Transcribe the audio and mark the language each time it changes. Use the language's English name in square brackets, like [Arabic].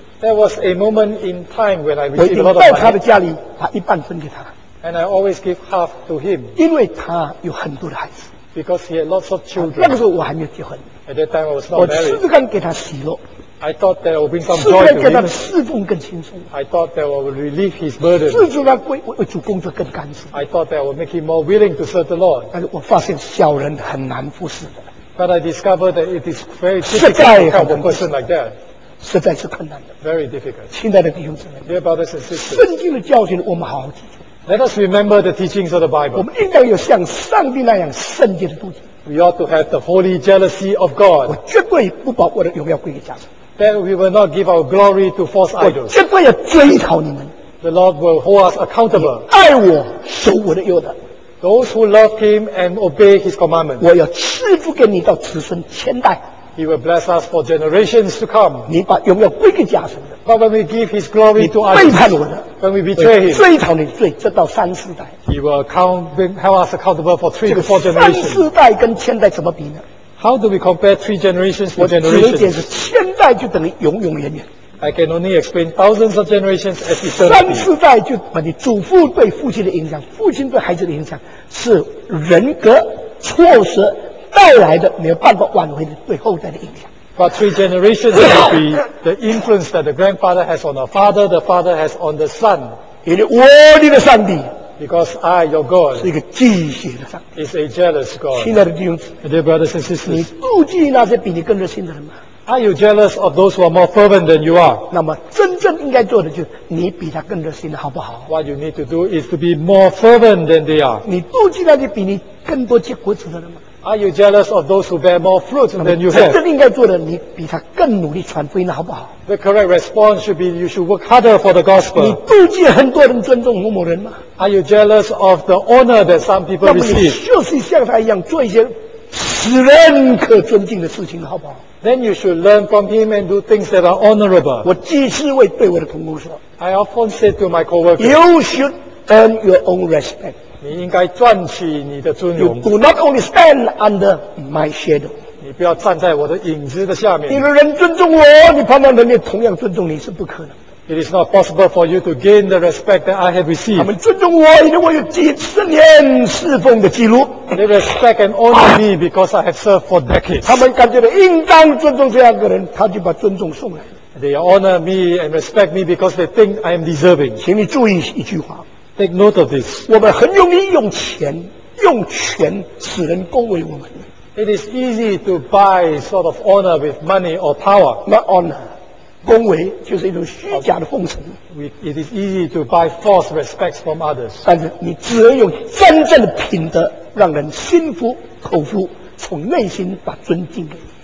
[English] There was a moment in time when I received a lot of money. [Chinese] 我已经到他的家里，把一半分给他。 [English] And I always give half to him. [Chinese] 因为他有很多的孩子。 [English] Because he had lots of children. [Chinese] 那个时候我还没有结婚。 [English] At that time I was not married. [Chinese] 我试试看给他喜乐。 [English] I thought that would bring some joy to him. [Chinese] 试试看给他侍奉更轻松。 [English] I thought that would relieve his burden. [Chinese] 试试看为主工作更甘心。 [English] I thought that would make him more willing to serve the Lord. [Chinese] 但是我发现小人很难服侍的。 [English] But I discovered that it is very difficult to help a person like that. [Chinese] 实在是困难的。 [English] Very difficult. [Chinese] 亲爱的弟兄姊妹。 [English] Dear brothers and sisters. [Chinese] 圣经的教训我们好好记住。 [English] Let us remember the teachings of the Bible. [Chinese] 我们应该有像上帝那样圣洁的妒忌。 [English] We ought to have the holy jealousy of God. [Chinese] 我绝对不把我的荣耀归给假神。 [English] Then we will not give our glory to false idols. [Chinese] 我绝对要追讨你们。 [English] The Lord will hold us accountable. [Chinese] 你爱我，守我的约的。 [English] Those who love Him and obey His commandments. [Chinese] 我要赐福给你到子孙千代。 [English] He will bless us for generations to come. [Chinese] 你把荣耀归给假神的。 [English] But when we give His glory to idols, [Chinese] 背叛我的。 [English] When we betray Him, [Chinese] 追讨你罪，这到三四代。 [English] He will hold us accountable for three to four generations. [Chinese] 这个三四代跟千代怎么比呢？ [English] How do we compare three generations to generations? [Chinese] 我只能解释千代就等于永永远远。 [English] I can only explain thousands of generations as eternity. [Chinese] 三四代就把你祖父对父亲的影响，父亲对孩子的影响，是人格错失带来的没有办法挽回的对后代的影响。 [English] But three generations will be the influence that the grandfather has on the father has on the son. [Chinese] 因为我你的上帝。 [English] Because I, your God, [Chinese] 是一个忌邪的上帝。 [English] Is a jealous God. [Chinese] 亲爱的弟兄姊妹。 [English] Dear brothers and sisters. [Chinese] 你妒忌那些比你更热心的人吗？ [English] Are you jealous of those who are more fervent than you are? [Chinese] 那么真正应该做的就是你比他更热心的好不好？ [English] What you need to do is to be more fervent than they are. [Chinese] 你妒忌那些比你更多结果子的人吗？ [English] Are you jealous of those who bear more fruit than you have? [Chinese] 真正应该做的你比他更努力传福音的好不好？ [English] The correct response should be you should work harder for the gospel. [Chinese] 你妒忌很多人尊重某某人吗？ [English] Are you jealous of the honor that some people receive? [Chinese] 那么你就是像他一样做一些使人可尊敬的事情好不好？ [English] Then you should learn from him and do things that are honorable. [Chinese] 我几次为对我的同工说 [English] ，I often say to my coworkers, "You should earn your own respect." [Chinese] 你应该赚取你的尊荣。 [English] You do not only stand under my shadow. [Chinese] 你不要站在我的影子的下面。你的人尊重我，你盼望人也同样尊重你是不可能的。 [English] It is not possible for you to gain the respect that I have received. [Chinese] 他们尊重我，因为我有几十年侍奉的记录。 [English] They respect and honor me because I have served for decades. [Chinese] 他们感觉到应当尊重这样的人，他就把尊重送来了。 [English] They honor me and respect me because they think I am deserving. [Chinese] 请你注意一句话。 [English] Take note of this. [Chinese] 我们很容易用钱、用权使人恭维我们。 [English] It is easy to buy sort of honor with money or power. Not honor. [Chinese] 恭维就是一种虚假的奉承。 [English] It is easy to buy false respects from others. [Chinese] 但是你只能用真正的品德让人心服口服，从内心把尊敬给你。